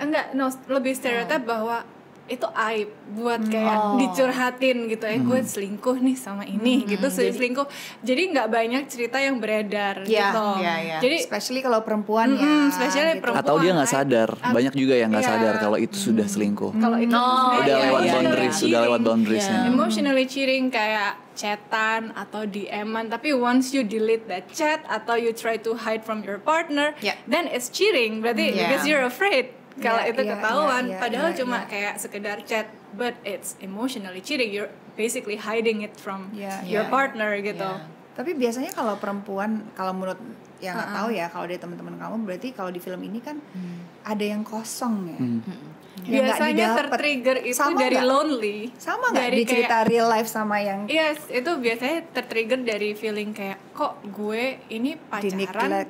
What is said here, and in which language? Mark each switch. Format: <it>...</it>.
<id>Enggak, no, lebih stereotype bahwa itu aib buat kayak dicurhatin gitu ya, gue selingkuh nih sama ini gitu, selingkuh. Jadi nggak banyak cerita yang beredar Jadi especially kalau perempuan perempuan atau dia nggak sadar, banyak juga yang nggak sadar kalau itu sudah selingkuh. Kalau itu udah lewat boundariesnya.</id> <en>Emotionally cheating</en> <id>kayak chatan atau DM-an, tapi</id> <en>once you delete that chat</en> <id>atau</id> <en>you try to hide from your partner, then it's cheating.</en> <id>Berarti</id> <en>because you're afraid.</en> <id>Kalau itu ketahuan, padahal cuma kayak sekedar chat,</id> <en>but it's emotionally cheating. You're basically hiding it from your partner</en> <id>gitu. Tapi biasanya kalau perempuan, kalau menurut yang nggak tahu ya, kalau dari teman-teman kamu, berarti kalau di film ini kan ada yang kosong ya. Biasanya tertrigger itu sama dari gak?</id> <en>Lonely.</en> <id>Sama nggak di cerita kayak, real life sama yang? Yes, itu biasanya tertrigger dari feeling kayak kok gue ini pacaran</id>